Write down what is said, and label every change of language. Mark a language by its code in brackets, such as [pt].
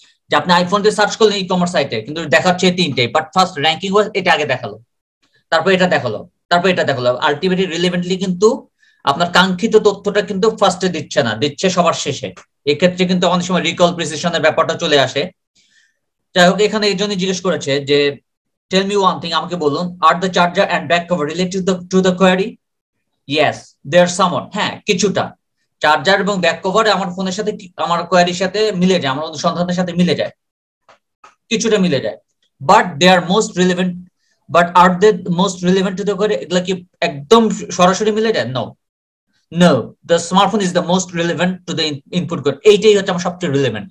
[bn] যে আপনি আইফোন দিয়ে সার্চ করলেন ই কমার্স সাইটে কিন্তু দেখাচ্ছে তিনটেই, [en] but first ranking wise [bn] এটা আগে দেখালো, তারপর এটা দেখালো, তারপর এটা দেখো, আলটিমেটলি রিলেভেন্টলি কিন্তু আপনার কাঙ্ক্ষিত তথ্যটা কিন্তু ফার্স্টে দিচ্ছে না, দিচ্ছে সবার শেষে, এক্ষেত্রে কিন্তু অনেক সময় রিকল প্রিসিশনের ব্যাপারটা চলে আসে। যাই হোক, এখানে এই জন্য জিজ্ঞেস করেছে যে [en] Tell me one thing, [bn] আমাকে বলুন, [en] are the charger and back cover related to the query? Yes, they are somewhat. [bn] হ্যাঁ, কিছুটা চার্জার এবং ব্যাক কভার আমার ফোনের সাথে আমার কোয়ারির সাথে মিলে যায়, আমার অনুসন্ধানের সাথে মিলে যায়, কিছুটা মিলে যায়। [en] but they are most relevant, but are they most relevant to the query, [bn] এগুলা কি একদম সরাসরি মিলে যায়? [en] no no, the smartphone is the most relevant to the input query, [bn] এইটাই হচ্ছে আমার সবচেয়ে রিলেভেন্ট।